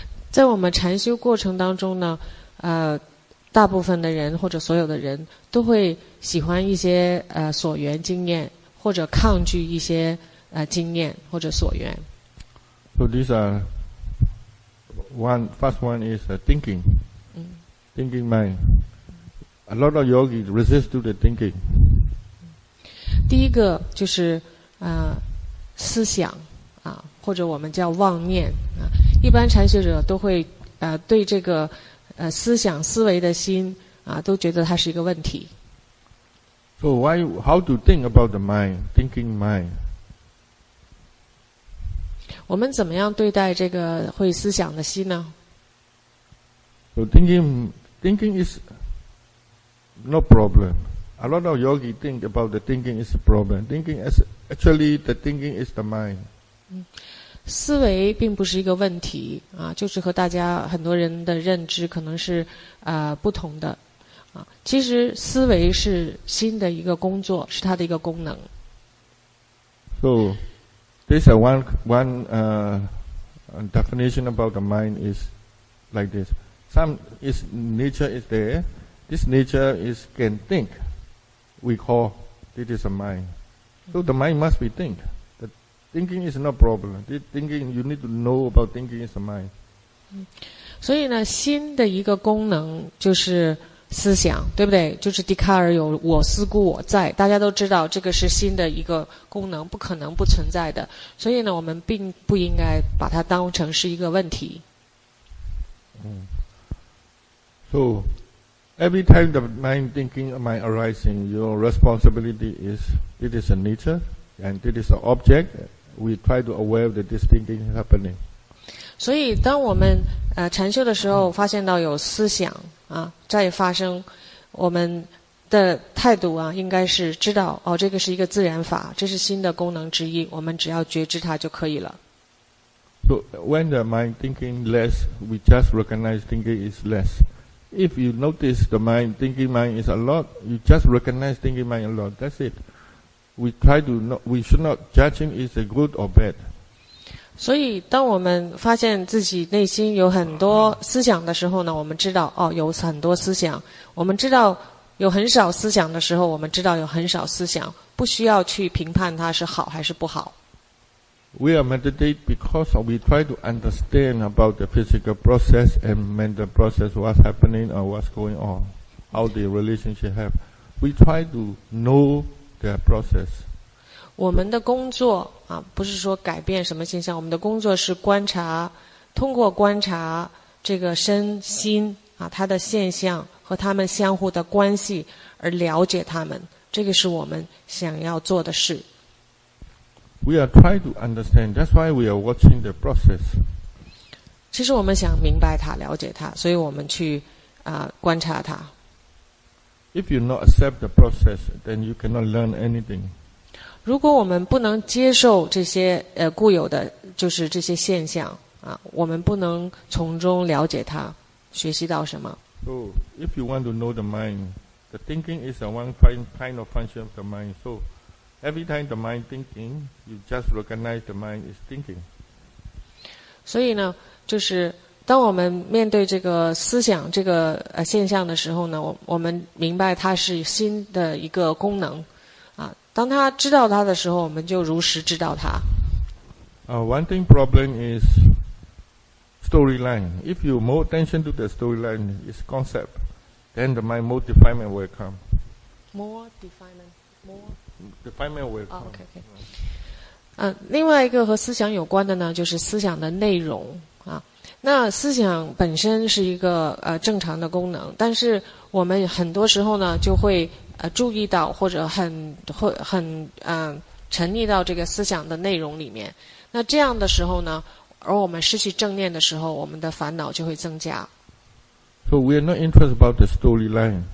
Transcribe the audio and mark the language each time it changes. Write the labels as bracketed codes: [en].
[zh] 在我们禅修过程当中呢，大部分的人或者所有的人都会喜欢一些所缘经验，或者抗拒一些经验或者所缘。 [en] So these are one first one is thinking, thinking mind. A lot of yogis resist to the thinking. [zh] 第一个就是思想啊，或者我们叫妄念啊。一般禅学者都会对这个思想思维的心啊，都觉得它是一个问题。 [en] So why? How to think about the mind? Thinking mind. [zh] 我们怎么样对待这个会思想的心呢 [en] ？So thinking is no problem. A lot of yogi think about the thinking is a problem. Thinking is actually the thinking is the mind. [zh] 思维并不是一个问题啊，就是和大家很多人的认知可能是不同的啊。其实思维是心的一个工作，是它的一个功能。 [en] So, this one definition about the mind is like this. Some is nature is there. This nature is can think. We call this is a mind. So the mind must be think. Thinking is no problem. Thinking, you need to know about thinking is a mind. [zh] 所以呢，心的一个功能就是思想，对不对？就是笛卡尔有“我思故我在”，大家都知道这个是心的一个功能，不可能不存在的。所以呢，我们并不应该把它当成是一个问题。 [en] So every time the mind thinking mind arising, your responsibility is it is a nature. And it is an object. We try to aware that this thinking is happening. [zh] 所以，当我们禅修的时候，发现到有思想啊在发生，我们的态度啊，应该是知道哦，这个是一个自然法，这是心的功能之一，我们只要觉知它就可以了。 [en] So when the mind thinking less, we just recognize thinking is less. If you notice the mind thinking mind is a lot, you just recognize thinking mind a lot. That's it. We try to not. We should not judging is a good or bad. [zh] 所以，当我们发现自己内心有很多思想的时候呢，我们知道哦，有很多思想。我们知道有很少思想的时候，我们知道有很少思想，不需要去评判它是好还是不好。 [en] We are meditate because we try to understand about the physical process and mental process, what's happening or what's going on, how the relationship have. We try to know. Their process. [zh] 我们的工作啊，不是说改变什么现象。我们的工作是观察，通过观察这个身心啊，它的现象和它们相互的关系而了解它们。这个是我们想要做的事。 [en] We are trying to understand. That's why we are watching the process. [zh] 其实我们想明白它，了解它，所以我们去观察它。 [en] If you not accept the process, then you cannot learn anything. [zh] 如果我们不能接受这些固有的就是这些现象啊，我们不能从中了解它，学习到什么。 [en] So if you want to know the mind, the thinking is a one kind of function of the mind. So every time the mind thinking, you just recognize the mind is thinking. [zh] 所以呢，就是。当我们面对这个思想这个现象的时候呢，我们明白它是心的一个功能，啊，当他知道它的时候，我们就如实知道它。 [en] One thing problem is storyline. If you more attention to the storyline, its concept, then the mind more definement will come. More definement, more definement will come. Okay. [zh] 另外一个和思想有关的呢，就是思想的内容。那思想本身是一个正常的功能，但是我们很多时候呢就会注意到或者沉溺到这个思想的内容里面。那这样的时候呢，而我们失去正念的时候，我们的烦恼就会增加。 [en] So we are not interested about the storyline.